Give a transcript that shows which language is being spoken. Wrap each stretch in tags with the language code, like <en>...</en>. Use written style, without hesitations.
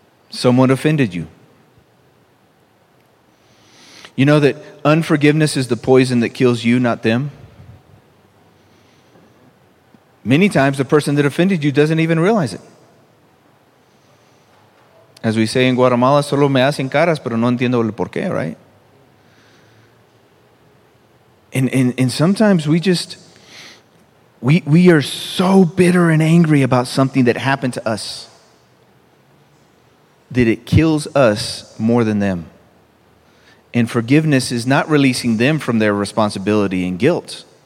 <en>Someone offended you. You know that unforgiveness is the poison that kills you, not them? Many times the person that offended you doesn't even realize it. As we say in Guatemala,</en> <es>solo me hacen caras, pero no entiendo el por qué,</es> <en>right? And sometimes we are so bitter and angry about something that happened to us that it kills us more than them. And forgiveness is not releasing them from their responsibility and guilt.</en>